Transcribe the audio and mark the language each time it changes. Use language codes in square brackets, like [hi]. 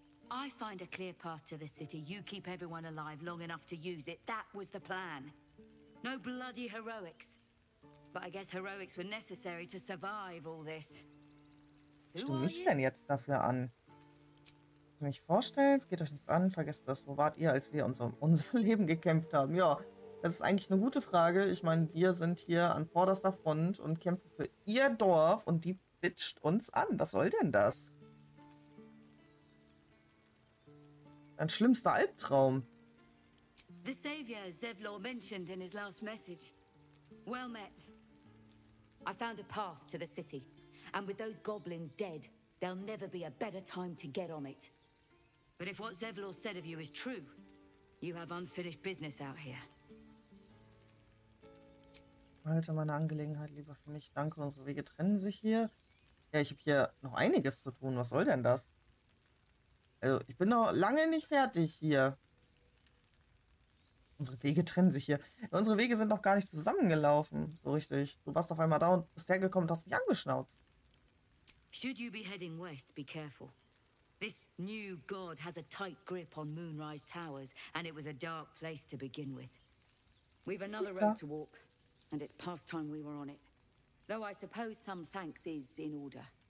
[en] I find a clear path to the city. You keep everyone alive long enough to use it. That was the plan. No bloody heroics. But I guess heroics were necessary to survive all this. [de] Stimm mich denn jetzt dafür an? Kann ich mich vorstellen? Es geht euch nichts an. Vergesst das. Wo wart ihr, als wir unser Leben gekämpft haben? Ja, das ist eigentlich eine gute Frage. Ich meine, wir sind hier an vorderster Front und kämpfen für ihr Dorf und die bitcht uns an. Was soll denn das? Ein schlimmster Albtraum. [en] The savior Zevlor mentioned in his last message. Well met. I found a path to the city. And with those goblins dead, there'll never be a better time to get on it. But if what Zevlor said of you is true, you have unfinished business out here. [de] Halte meine Angelegenheit lieber für mich. Danke, unsere Wege trennen sich hier. Ja, ich habe hier noch einiges zu tun. Was soll denn das? Also, ich bin noch lange nicht fertig hier. Unsere Wege trennen sich hier. Unsere Wege sind noch gar nicht zusammengelaufen. So richtig. Du warst auf einmal da und bist hergekommen und hast mich angeschnauzt. [en] Should you be heading west, be careful. This new god has a tight grip on Moonrise Towers and it was a dark place to begin with. We've another road to walk and it's past time we were on it. Though I suppose some thanks is in order.